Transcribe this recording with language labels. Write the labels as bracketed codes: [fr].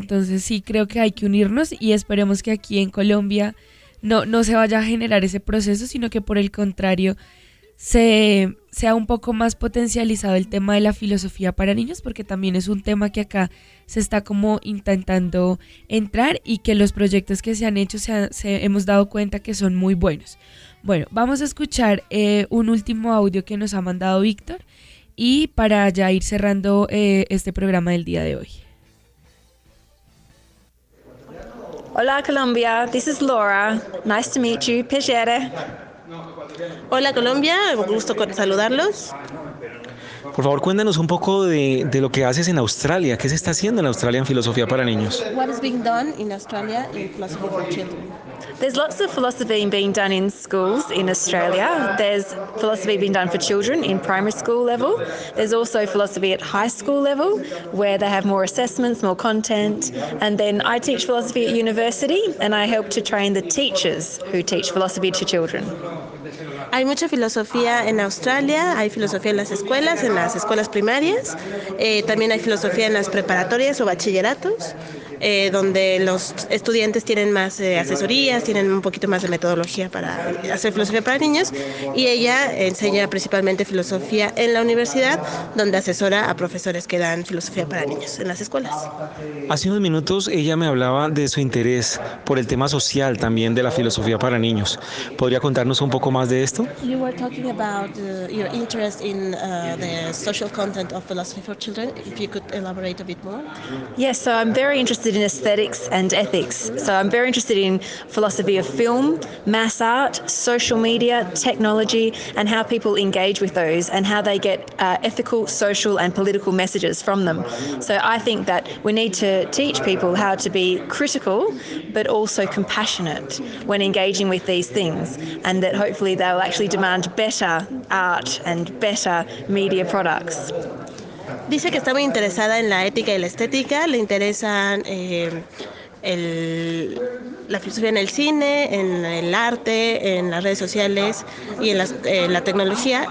[es] Entonces sí creo que hay que unirnos y esperemos que aquí en Colombia no se vaya a generar ese proceso, sino que por el contrario sea un poco más potencializado el tema de la filosofía para niños, porque también es un tema que acá se está como intentando entrar y que los proyectos que se han hecho hemos dado cuenta que son muy buenos. Bueno, vamos a escuchar un último audio que nos ha mandado Víctor, y para ya ir cerrando este programa del día de hoy. Hola Colombia, [en] this is Laura, nice to meet you, piacere. [es] Hola Colombia, un gusto saludarlos. Por favor, cuéntanos un poco de lo que haces en Australia, qué se está haciendo en Australia en filosofía para niños. [en] What is being done in Australia in philosophy for children? There's lots of philosophy being done in schools in Australia. There's philosophy being done for children in primary school level. There's also philosophy at high school level, where they have more assessments, more content. And then I teach philosophy at university, and I help to train the teachers who teach philosophy to children. [es] Hay mucha filosofía en Australia, hay filosofía en las escuelas, en las escuelas primarias, también hay filosofía en las preparatorias o bachilleratos, donde los estudiantes tienen más asesorías, tienen un poquito más de metodología para hacer filosofía para niños, y ella enseña principalmente filosofía en la universidad, donde asesora a profesores que dan filosofía para niños en las escuelas. Hace unos minutos ella me hablaba de su interés por el tema social también de la filosofía para niños. ¿Podría contarnos un poco más de esto? [en] You were talking about your interest in the social content of philosophy for children, if you could elaborate a bit more. Yes, so I'm very interested in aesthetics and ethics. So I'm very interested in philosophy of film, mass art, social media, technology, and how people engage with those and how they get ethical, social, and political messages from them. So I think that we need to teach people how to be critical but also compassionate when engaging with these things, and that hopefully they will actually demand better art and better media products. [es] Dice que está muy interesada en la ética y la estética, le interesan la filosofía en el cine, en el arte, en las redes sociales y en la tecnología.